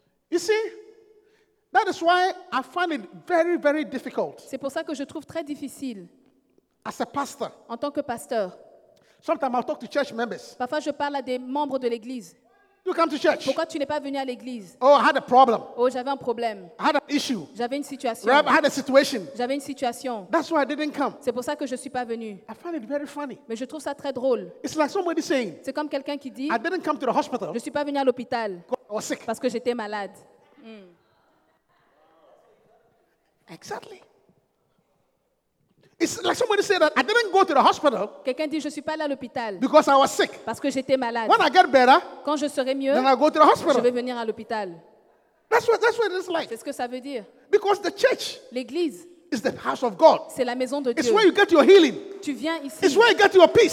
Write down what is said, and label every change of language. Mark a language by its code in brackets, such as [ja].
[en] You see, that is why I find it very, very difficult. [fr] C'est pour ça que je trouve très difficile. [en] As a pastor. [fr] En tant que pasteur. [en] Sometimes I talk to church members. [fr] Parfois je parle à des membres de l'église. [en] You come to church. [fr] Pourquoi tu n'es pas venu à l'église? [en] Oh, I had a problem. [fr] Oh, j'avais un problème. [en] I had an issue. [fr] J'avais une situation. [en] Rab, I had a situation. [fr] J'avais une situation. [en] That's why I didn't come. [fr] C'est pour ça que je suis pas venu. [en] I find it very funny. [fr] Mais je trouve ça très drôle. [en] It's like somebody saying. [fr] C'est comme quelqu'un qui dit. [en] I didn't come to the hospital. [fr] Je suis pas venu à l'hôpital. [en] I was sick. [fr] Parce que j'étais malade. [en] Exactly. It's like somebody said that I didn't go to the hospital. [fr] Quelqu'un dit je suis pas allé à l'hôpital. [en] Because I was sick. [fr] Parce que j'étais malade. [en] When I get better, [fr] quand je serai mieux, [en] then I go to the hospital. [fr] Je vais venir à l'hôpital. [en] That's what it's like. [fr] C'est ce que ça veut dire. [en] Because the church, [fr] l'église, [en] is the house of God. [fr] C'est la maison de Dieu. [en] It's where you get your healing. [fr] Tu viens ici. [en] It's where you get your peace.